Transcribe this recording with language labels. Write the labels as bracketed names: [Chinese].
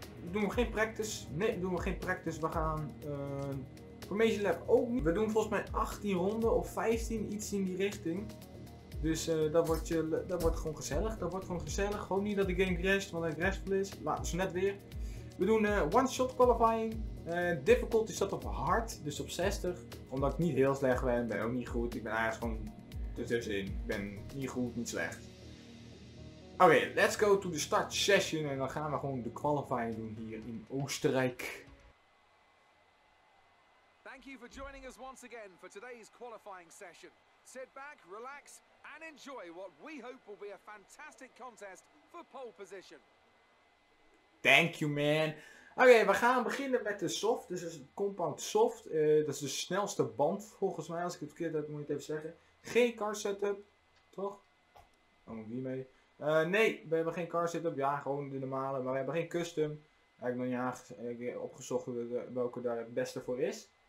[Dutch] Doen we geen practice? Nee, doen we geen practice. We gaan Formation Lab ook niet. We doen volgens mij 18 ronden of 15, iets in die richting. Dus dat wordt gewoon gezellig. Gewoon niet dat de game crasht, want hij restful is. Laat ze net weer. We doen one-shot qualifying. Difficulty staat op hard, dus op 60. Omdat ik niet heel slecht ben, ben ook niet goed. Ik ben eigenlijk gewoon ertussenin. Ik ben niet goed, niet slecht. Oké, [English] let's go to the start session. [Dutch] En dan gaan we gewoon de qualifying doen hier in Oostenrijk. [English] Thank you for joining us once again for today's qualifying session. Sit back, relax and enjoy what we hope will be a fantastic contest for pole position. Thank you, man. [Dutch] Oké, we gaan beginnen met de soft. Dus is het compound soft. Dat is de snelste band, volgens mij. Als ik het verkeerd heb, moet ik het even zeggen. Geen car setup, toch? Dan moet ik hiermee. Nee, we hebben geen car setup. Ja, gewoon de normale. Maar we hebben geen custom. Ik heb nog niet opgezocht welke daar het beste voor is.